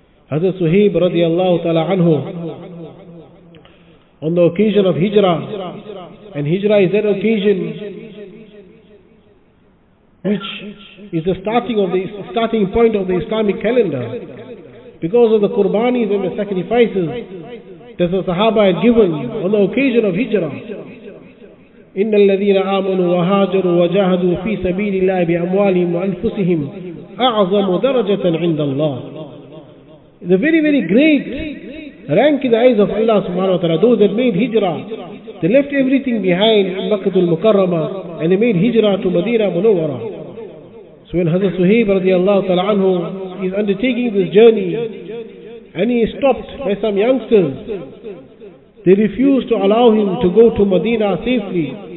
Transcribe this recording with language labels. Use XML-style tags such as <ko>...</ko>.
<en>Hazrat Suhaib radiallahu ta'ala anhu, on the occasion of Hijrah, and Hijrah is that occasion which is the starting point of the Islamic calendar, because of the qurbanis and the sacrifices that the Sahaba had given on the occasion of Hijrah.</en> <ar>إن الذين آمنوا وهاجروا وجاهدوا في سبيل الله بأموالهم وأنفسهم أعظم درجة عند الله.</ar> <en>The very very great rank in the eyes of Allah subhanahu wa ta'ala, those that made hijrah, they left everything behind in Makkah al-Mukarrama and they made hijrah to Madina Munawwara. So when Hazrat Suhaib radiallahu ta'ala anhu is undertaking this journey and he is stopped by some youngsters, they refused to allow him to go to Medina safely.</en>